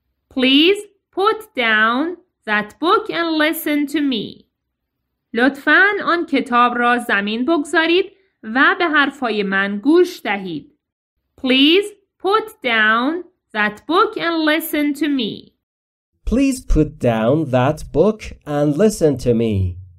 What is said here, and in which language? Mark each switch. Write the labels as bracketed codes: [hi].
[en] Please put down that book and listen to me. [fa] لطفاً آن کتاب را زمین بگذارید و به حرفای من گوش دهید. [en] Please put down that book and listen to me. Please put down that book and listen to me.